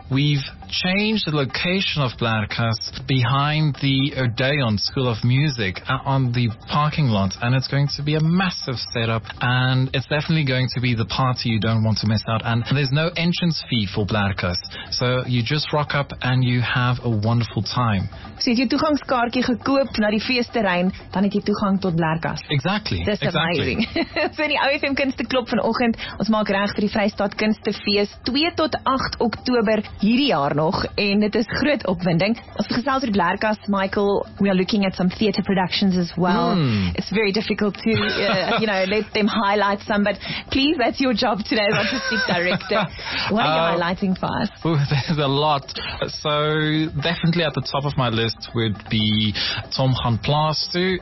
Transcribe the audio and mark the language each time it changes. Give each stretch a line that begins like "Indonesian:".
English: We've changed the location of Blerkas behind the Odeon School of Music on the parking lot, and it's going to be a massive setup, and it's definitely going to be the party you don't want to miss out, and there's no entrance fee for Blerkas, so you just rock up and you have a wonderful time.
Afrikaans: So het jy toegangskaartjie gekoop na die feesterrein, dan het jy toegang tot Blerkas.
English: Exactly.
Afrikaans: Dis amazing. So die OFM Kunsteklop vanoggend, ons maak reg vir die Vrystaat Kunstefees 2 tot 8 Oktober hierdie jaar nog, en dit is groot opwinding. Ons gesels oor Blerkas, Michael.
English: We are looking at some theatre productions as well. It's very difficult to let them highlight some, but please, that's your job today as artistic director. What are you highlighting for us? There's a lot. So definitely at the top of my list would be Tom Han Plaster.